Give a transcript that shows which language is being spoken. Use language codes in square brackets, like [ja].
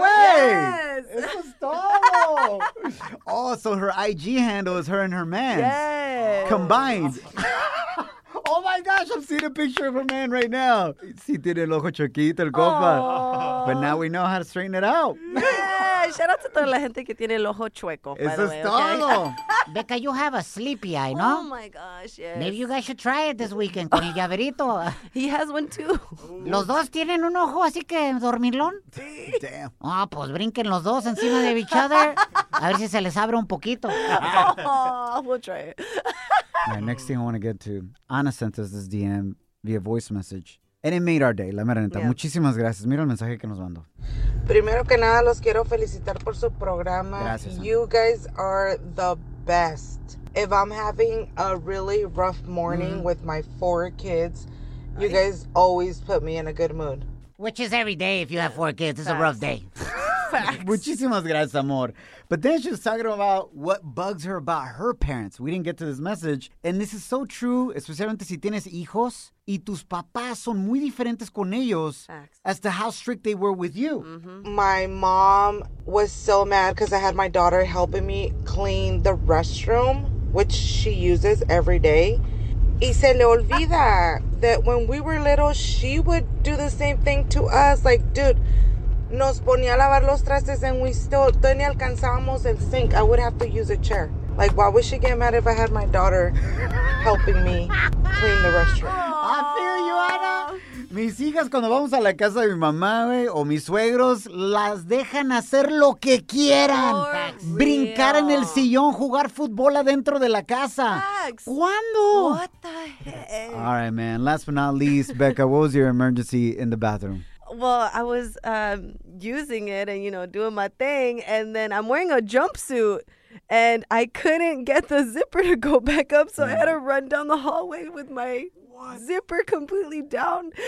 [en] Yes. [es] Eso es todo. [en] Oh, so her IG handle is her and her man. Yes. Combined. Oh, my gosh. I'm seeing a picture of a man right now. [es] Si tiene el ojo chiquito, el compa. [en] But now we know how to straighten it out. Shout out [es] to toda la gente que tiene el ojo chueco. Eso [en] by the way, [es] es todo. [en] Okay? Becca, you have a sleepy eye, no? Oh, my gosh, yes. Maybe you guys should try it this weekend [es] con el llaverito. [en] He has one, too. [es] ¿Los dos tienen un ojo así que dormilón? [en] Damn. [es] Ah, oh, pues brinquen los dos encima de [en] each other. [es] A ver si se les abre un poquito. [en] Oh, we'll try it. All right, next thing I want to get to. Ana sent us this DM via voice message. And it made our day, [es] la mera neta. Yeah. Muchísimas gracias. Mira el mensaje que nos mandó. Primero que nada, los quiero felicitar por su programa. Gracias. [en] You guys are the best. If I'm having a really rough morning with my four kids, you guys always put me in a good mood. Which is every day if you have four kids. It's a rough day. Facts. [es] Muchísimas gracias, amor. [en] But then she was talking about what bugs her about her parents. We didn't get to this message. And this is so true, [es] especialmente si tienes hijos y tus papás son muy diferentes con ellos. [en] Facts. As to how strict they were with you. Mm-hmm. My mom was so mad because I had my daughter helping me clean the restroom, which she uses every day. [es] Y se le olvida [en] that when we were little, she would do the same thing to us. Like, dude, [es] nos ponía a lavar los trastes [en] and we still didn't [es] alcanzamos el [en] sink. I would have to use a chair. Like, why would she get mad if I had my daughter helping me clean the restroom? Aww. I feel you, Ana. [es] Mis hijas, cuando vamos a la casa de mi mamá, güey, o mis suegros, las dejan hacer lo que quieran. Brincar en el sillón, jugar fútbol adentro de la casa. [en] Facts. [es] ¿Cuándo? [en] What the heck? All right, man. Last but not least, Becca, what was your emergency in the bathroom? Well, I was using it and, you know, doing my thing. And then I'm wearing a jumpsuit and I couldn't get the zipper to go back up. So I had to run down the hallway with my zipper completely down.